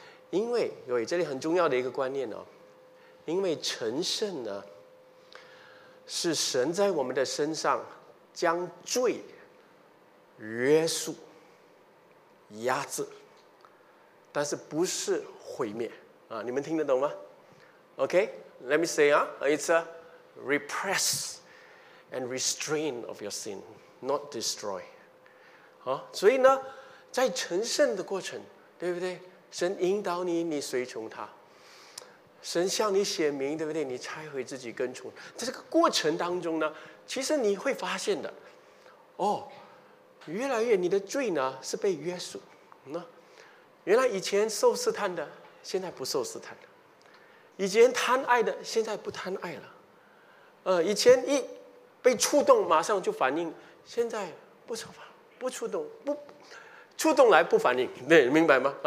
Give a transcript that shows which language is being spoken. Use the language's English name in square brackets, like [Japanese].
[Chinese] 因为有这里很重要的一个观念，因为成圣呢，是神在我们的身上将罪约束压制，但是不是毁灭啊？你们听得懂吗？ [English] OK， let me say [Chinese] 啊， [English] it's a repress and restrain of your sin, not destroy。 [Chinese] 所以呢，在成圣的过程，对不对？神引导你，你随从他，神向你显明，对不对？你拆毁自己跟从，在这个过程当中呢，其实你会发现的，哦，越来越你的罪呢是被约束，原来以前受试探的现在不受试探了，以前贪爱的现在不贪爱了，以前一被触动马上就反应，现在不受反应，不触动，不触动来不反应，对，明白吗？